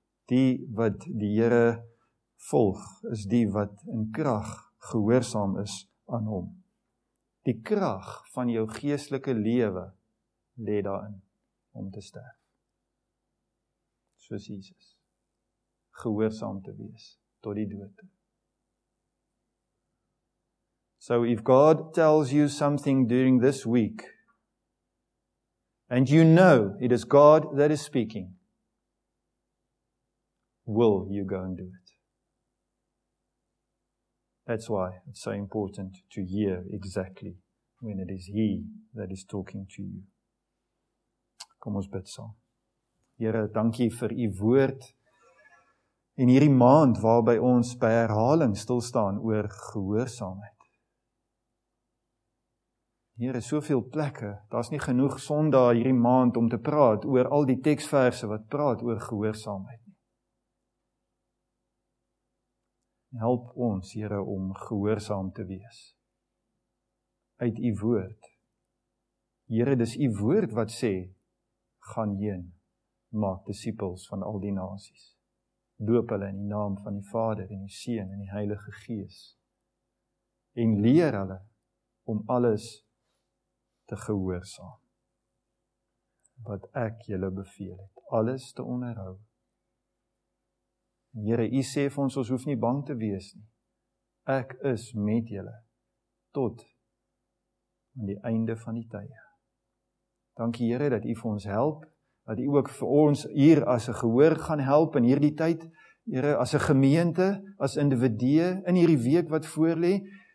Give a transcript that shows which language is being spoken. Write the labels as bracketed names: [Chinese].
[Afrikaans] Die wat die Here volg, is die wat in krag gehoorsaam is aan hom. Die krag van jou geestelike lewe lê daarin om te sterf. Soos Jesus. Gehoorsaam te wees tot die dood. [English] So if God tells you something during this week and you know it is God that is speaking, will you go and do it? That's why it's so important to hear exactly when it is He that is talking to you. [Afrikaans] Kom ons bid saam. Here, dankie vir U woord en hierdie maand waarby ons by herhaling stilstaan oor gehoorsaamheid. Here, soveel plekke, daar is nie genoeg Sondag hierdie maand om te praat oor al die teksverse wat praat oor gehoorsaamheid. Help ons, Here, om gehoorsaam te wees. Uit U woord. Here, dis U woord wat sê, gaan heen, maak disippels van al die nasies. Doop hulle in die naam van die Vader en die Seun en die Heilige Gees. En leer hulle om alles te gehoorsaam. Wat ek julle beveel het, alles te onderhou. Here, U sê vir ons, ons hoef nie bang te wees nie. Ek is met julle, tot aan die einde van die tye. Dankie Here, dat U vir ons help, dat U ook vir ons hier as 'n gehoor gaan help in hierdie tyd, Here, as 'n gemeente, as individue, in hierdie week wat voorlê.